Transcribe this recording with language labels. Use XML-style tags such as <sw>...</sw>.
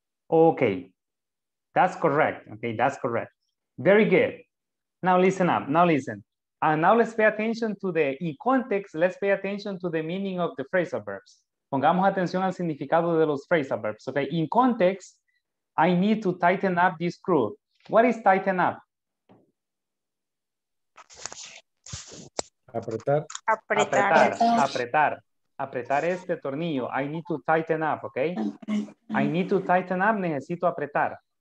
<en>Okay, that's correct. Okay, that's correct. Very good. Now listen up. Now listen. And now let's pay attention to the, in context, let's pay attention to the meaning of the phrasal verbs.</en> <es>Pongamos atención al significado de los phrasal verbs.</es> <en>Okay, in context, I need to tighten up this screw. What is tighten up?</en> <es>Apretar. Apretar. Apretar. Apretar. Apretar este tornillo.</es> <en>I need to tighten up, okay? I need to tighten up,</en> <es>necesito apretar.</es>